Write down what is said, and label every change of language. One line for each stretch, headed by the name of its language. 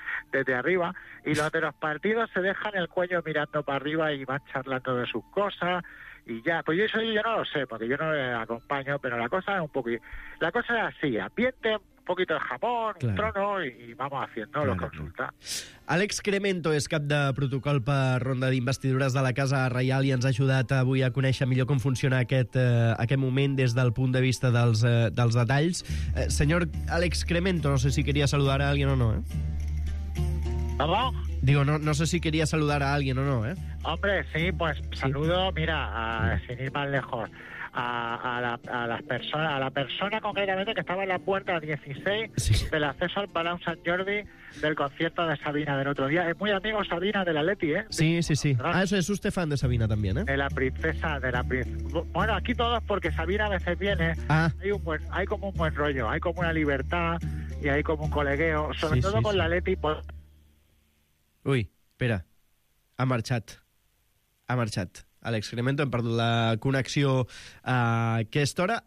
Spanish: desde arriba, y los de los partidos se dejan el cuello mirando para arriba y van charlando de sus cosas, y ya, pues eso yo no lo sé, porque yo no le acompaño, pero la cosa es así, ambiente, un poquito de jamón, claro, un trono, y vamos haciendo la consulta.
Catalan: Àlex Cremento és cap de protocol per ronda d'investidures de la Casa Reial i ens ha ajudat avui a conèixer millor com funciona aquest moment des del punt de vista dels detalls. Senyor Àlex Cremento, no sé si queria saludar a algú o no,
Spanish: Digo, no sé si quería saludar a alguien o no, Hombre, sí, pues saludo, sí. Mira, sin ir más lejos, a la persona concretamente que estaba en la puerta 16, sí, del acceso al Palau Sant Jordi del concierto de Sabina del otro día. Es muy amigo Sabina del Atleti, Sí, sí, sí. Ah, eso es usted fan de Sabina también, De la princesa, Bueno, aquí todos, porque Sabina a veces viene. Ah. Hay como un buen rollo, hay como una libertad y hay como un colegueo, sobre todo con la Atleti.
Catalan: Ui, espera, ha marxat. Àlex Cremento, hem perdut la connexió a aquesta hora.